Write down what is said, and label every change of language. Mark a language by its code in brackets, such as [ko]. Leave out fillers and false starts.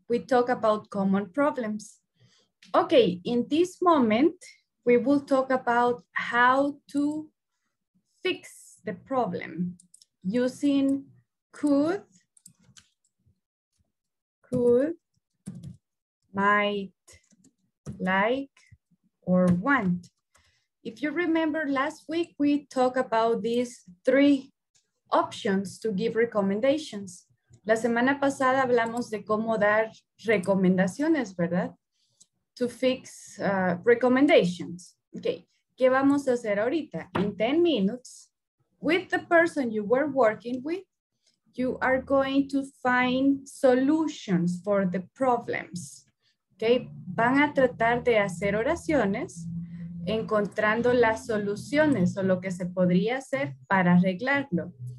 [en] We talk about common problems. Okay, in this moment, we will talk about how to fix the problem using could, might, like, or want. If you remember last week, we talked about these three options to give recommendations. [es] La semana pasada hablamos de cómo dar recomendaciones, ¿verdad? [en] To fix recommendations. [es] Okay, ¿qué vamos a hacer ahorita? [en] In 10 minutes, with the person you were working with, you are going to find solutions for the problems. [es] Okay, van a tratar de hacer oraciones encontrando las soluciones o lo que se podría hacer para arreglarlo.